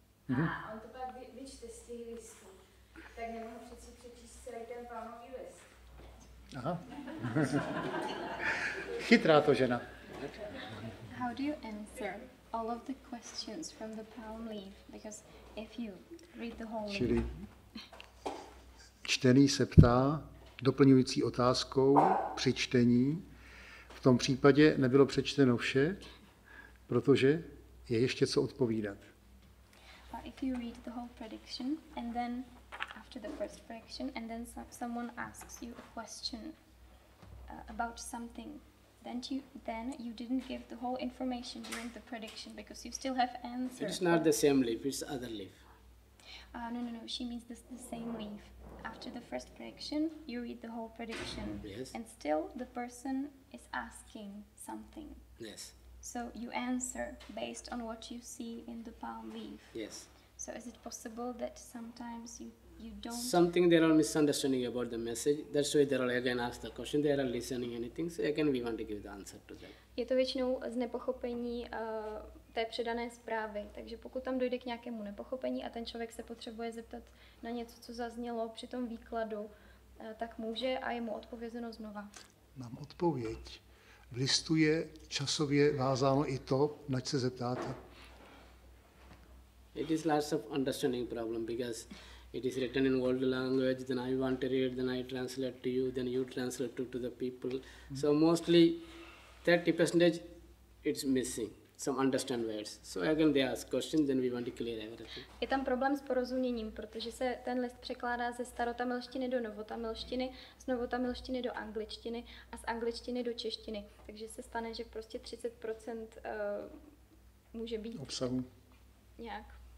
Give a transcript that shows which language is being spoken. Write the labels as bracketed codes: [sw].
[cs] A on to pak vyčte z těch listů, tak nemohu přeci přečíst celý ten palmový list. Aha. Chytrá to žena. [en] How do you answer all of the questions from the palm leaf? Because if you read the whole leaf... [cs] Čili čtený se ptá doplňující otázkou při čtení. V tom případě nebylo přečteno vše, protože je ještě co odpovídat. [en] If you read the whole prediction and then after the first prediction and then someone asks you a question about something, then you didn't give the whole information during the prediction because you still have answers. It's not the same leaf, it's other leaf. No, she means this the same leaf. After the first prediction, you read the whole prediction. Yes. And still the person is asking something. Yes. So you answer based on what you see in the palm leaf. Yes. So is it possible that sometimes you don't... Something there are misunderstanding about the message. That's why they are again ask the question. They are listening anything. So again we want to give the answer to them. [cs] Je to většinou z nepochopení té předané zprávy. Takže pokud tam dojde k nějakému nepochopení a ten člověk se potřebuje zeptat na něco, co zaznělo při tom výkladu, tak může a je mu odpovězeno znova. Mám odpověď. V listu je časově vázáno i to, nač se zeptáte. It is lots of understanding problem because it is written in world language, then I want to read, then I translate to you, then you translate to the people. Mm-hmm. So mostly 30% it's missing, some understand words. So again they ask questions, then we want to clear everything. Je tam problém s porozuměním, protože se ten list překládá ze starotamilštiny do novotamilštiny, z novotamilštiny do angličtiny a z angličtiny do češtiny. Takže se stane, že prostě 30% může být obsahu. Nějak.